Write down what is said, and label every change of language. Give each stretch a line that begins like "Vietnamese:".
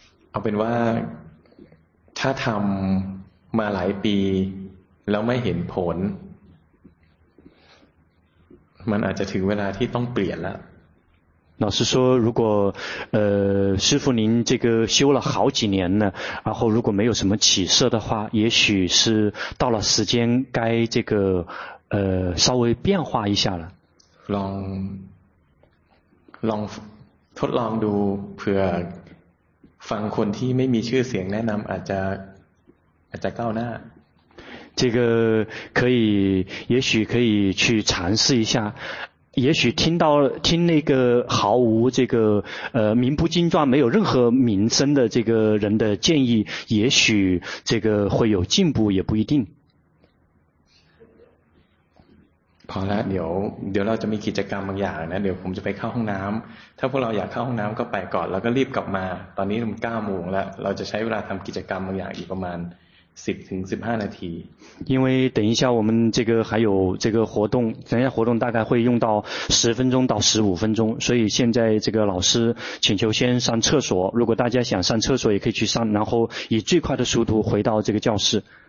Thai: เอาเป็นว่าถ้าทำมาหลายปีแล้วไม่เห็นผลมันอาจจะถึงเวลาที่ต้องเปลี่ยนแล้ว
Chinese: 老师说如果师父您这个修了好几年呢，然后如果没有什么起色的话，也许是到了时间该这个稍微变化一下了。
Thai: ลองทดลองดูเผื่อฟังคนที่ไม่มีชื่อเสียงแนะนำอาจจะก้าวหน้า。
Chinese: 这个可以也许可以去尝试一下。也许听那个毫无这个名不经传没有任何名声的这个人的建议，也许这个会有进步也不一定。好了，
Thai: เดี๋ยวเราจะมีกิจกรรมบางอย่างนะเดี๋ยวผมจะไปเข้าห้องน้ำถ้าพวกเราอยากเข้าห้องน้ำก็ไปก่อนแล้วก็รีบกลับมาตอนนี้มัน 9:00 แล้วเราจะใช้เวลาทำกิจกรรมบางอย่างอีกประมาณ10-15
English: minutes，
Chinese: 因为等一下我们这个还有这个活动，等一下活动大概会用到10分钟到15分钟，所以现在这个老师请求先上厕所，如果大家想上厕所也可以去上，然后以最快的速度回到这个教室。